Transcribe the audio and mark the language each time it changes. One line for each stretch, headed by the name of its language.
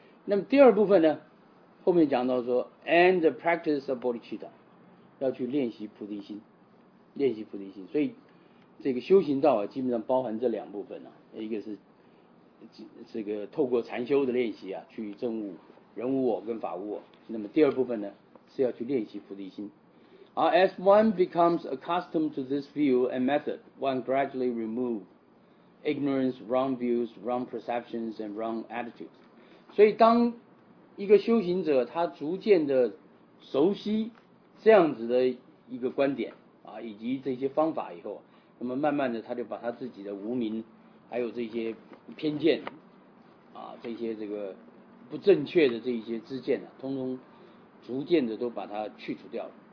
Chinese: 那么第二部分呢，后面讲到说 ，
English: and the practice of bodhicitta，
Chinese: 要去练习菩提心，练习菩提心。所以这个修行道啊，基本上包含这两部分呢、啊，一个是这个透过禅修的练习啊，去证悟人无我跟法无我。那么第二部分呢，是要去练习菩提心。
English: As one becomes accustomed to this view and method, one gradually removes ignorance, wrong views, wrong perceptions, and wrong attitudes.
Chinese: 所以当一个修行者他逐渐的熟悉这样子的一个观点啊，以及这些方法以后，那么慢慢的他就把他自己的无明还有这些偏见啊，这些这个不正确的这些知见、啊、通通逐渐的都把它去除掉了。